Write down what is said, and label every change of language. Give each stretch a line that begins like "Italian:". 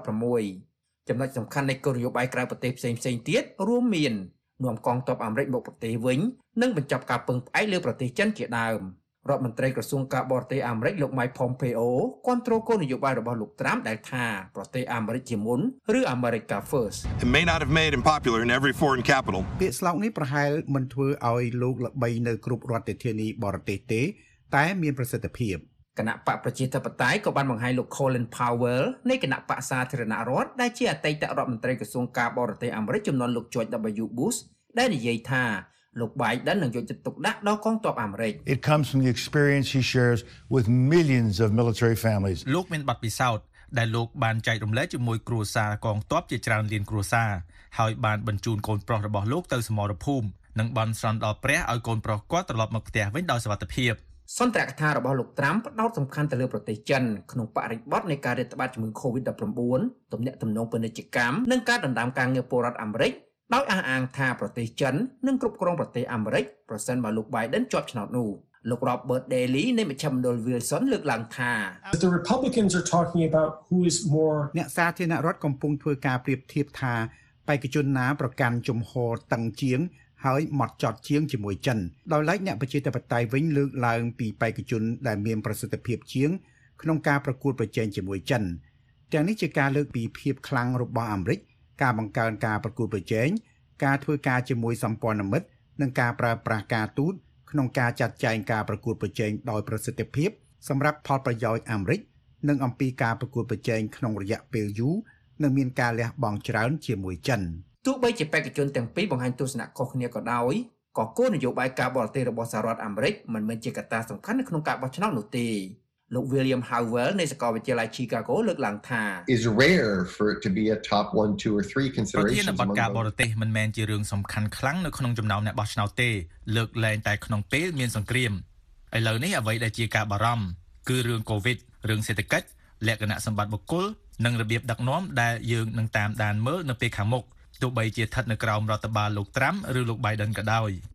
Khmer: 2016ចំណុចសំខាន់នៃគោលនយោបាយក្រៅប្រទេសផ្សេងៗទៀតរួមមាននាំកងទ័ពអាមេរិកមកប្រទេសវិញនិងបញ្ចប់ការពឹងផ្អែកលើប្រទេសចិនជាដើមរដ្ឋមន្ត្រីក្រសួងការបរទេសអាមេរិកលោក Mike Pompeo គាំទ្រគោលនយោបាយរបស់លោកត្រាំដែលថាប្រទេសអាមេរិកជាមុនឬ America First
English: It may not have made him popular in every foreign capital
Khmer: ពាក្យស្លោកនេះប្រហែលមិនធ្វើឲ្យលោកល្បីនៅគ្រប់រដ្ឋធានីបរទេសទេតែមានប្រសិទ្ធភាព គណៈបកប្រជាធិបតេយ្យក៏បានបង្ហាញលោក Colin Powell នៃគណៈបកសាធារណរដ្ឋដែលជាអតីតរដ្ឋមន្ត្រីក្រសួងការបរទេសអាមេរិកចំនួនលោក George W. Bush ដែលនិយាយថាលោក Biden នឹងយកចិត្តទុកដាក់ដល់កងទ័ពអាមេរិក
English: It comes from the experience he shares with millions of military families
Khmer: លោកមានបទពិសោធន៍ដែលលោកបានចែករំលែកជាមួយគ្រួសារកងទ័ពជាច្រើនលានគ្រួសារហើយបានបញ្ជូនកូនប្រុសរបស់លោកទៅសមរភូមិនិងបានស្រន់ដល់ព្រះឲ្យកូនប្រុសគាត់ត្រឡប់មកផ្ទះវិញដោយសុវត្ថិភាព សន្ទរកថារបស់លោកត្រាំផ្ដោតសំខាន់ទៅលើប្រទេសចិនក្នុងបរិបទនៃការរាតត្បាតជំងឺ COVID-19 ទំនាក់ទំនងពាណិជ្ជកម្មនិងការដណ្ដើមការងារពលរដ្ឋអាមេរិកដោយអះអាងថាប្រទេសចិននិងគ្រប់គ្រងប្រទេសអាមេរិកប្រសិនបើលោក Biden ជាប់ឆ្នោតនោះលោក Robert Daly នៃមជ្ឈមណ្ឌល Wilson លើកឡើងថា
English: The Republicans are talking about who is more
Khmer: អ្នកសាធារណរដ្ឋកំពុងធ្វើការប្រៀបធៀបថាបេក្ខជនណាប្រកាន់ជំហរតឹងជាងហើយម៉ត់ចត់ជាងជាមួយចិនដោយឡែកអ្នកប្រជាធិបតេយ្យវិញលើកឡើងពីបេក្ខជនដែលមានប្រសិទ្ធភាពជាងក្នុងការប្រកួតប្រជែងជាមួយចិន ទាំងនេះជាការលើកពីភាពខ្លាំងរបស់អាមេរិកការបង្កើនការប្រកួតប្រជែងការធ្វើការជាមួយសម្ព័ន្ធមិត្តនិងការប្រើប្រាស់ការទូតក្នុងការចាត់ចែងការប្រកួតប្រជែងដោយប្រសិទ្ធភាពសម្រាប់ផលប្រយោជន៍អាមេរិកនិងអំពីការប្រកួតប្រជែងក្នុងរយៈពេលយូរនិងមានការលះបង់ច្រើនជាមួយចិន ទោះបីជាបេក្ខជនទាំងពីរបង្ហាញទស្សនៈខុសគ្នាក៏ដោយក៏គោលនយោបាយការបរទេសរបស់សហរដ្ឋអាមេរិកមិនមែនជាកត្តាសំខាន់នៅក្នុងការបោះឆ្នោតនោះទេលោក William Howell នៃសាកលវិទ្យាល័យ Chicago លើកឡើងថា
English: It's rare for it to be a top 1 2 or 3 consideration among
Khmer: ការបរទេសមិនមែនជារឿងសំខាន់ខ្លាំងនៅក្នុងចំណោមអ្នកបោះឆ្នោតទេលើកលែងតែក្នុងពេលមានសង្គ្រាមឥឡូវនេះអ្វីដែលជាការបារម្ភគឺរឿង COVID រឿងសេដ្ឋកិច្ចលក្ខណៈសម្បត្តិបុគ្គលនិងរបៀបដឹកនាំដែលយើងនឹងតាមដានមើលនៅពេលខាងមុខទោះបីជាស្ថិតនៅក្រោមរដ្ឋបាលលោកត្រាំឬលោក Biden ក៏ដោយ